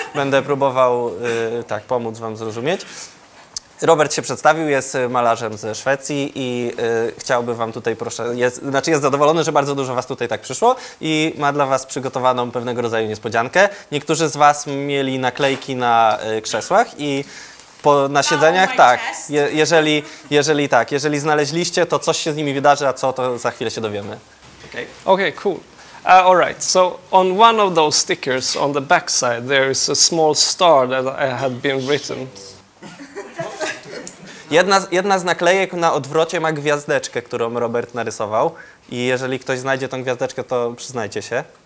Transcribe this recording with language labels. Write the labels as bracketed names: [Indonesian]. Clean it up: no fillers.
[Polish] Będę próbował tak pomóc wam zrozumieć. Robert się przedstawił, jest malarzem ze Szwecji i chciałby wam tutaj proszę, jest zadowolony, że bardzo dużo was tutaj tak przyszło i ma dla was przygotowaną pewnego rodzaju niespodziankę. Niektórzy z was mieli naklejki na krzesłach i po, na siedzeniach, tak. Jeżeli znaleźliście, to coś się z nimi wydarzy, a co, to za chwilę się dowiemy. [English] Okay. Okay, cool. All right. So on one of those stickers on the backside, there is a small star that I had been written. [Polish] Jedna z naklejek na odwrocie ma gwiazdeczkę, którą Robert narysował. I jeżeli ktoś znajdzie tą gwiazdeczkę, to przyznajcie się.